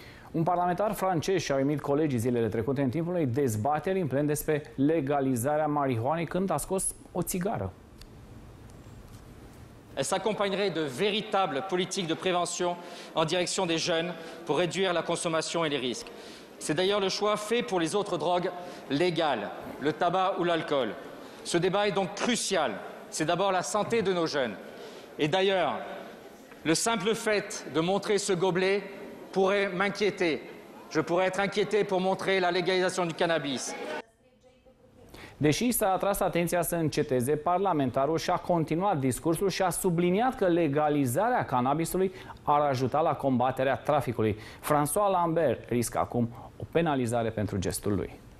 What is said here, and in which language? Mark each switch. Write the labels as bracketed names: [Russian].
[Romanian] Un parlamentar francez și-a emit colegii zilele trecute în timpul unei dezbateri în plen despre legalizarea marihuanei când a scos o țigară. [French] Elle s'accompagnerait de véritables politiques de prévention en direction des jeunes pour réduire la consommation et les risques. C'est d'ailleurs le choix fait pour les autres drogues légales, le tabac ou l'alcool. Ce débat est donc crucial. C'est d'abord la santé de nos jeunes. Et d'ailleurs, le simple fait de montrer ce gobelet pourrait m'inquiéter. Je pourrais être inquiété pour montrer la légalisation du cannabis. [Romanian] Deși s-a atras atenția să înceteze, parlamentarul și-a continuat discursul și a subliniat că legalizarea cannabisului ar ajuta la combaterea traficului. François Lambert riscă acum o penalizare pentru gestul lui.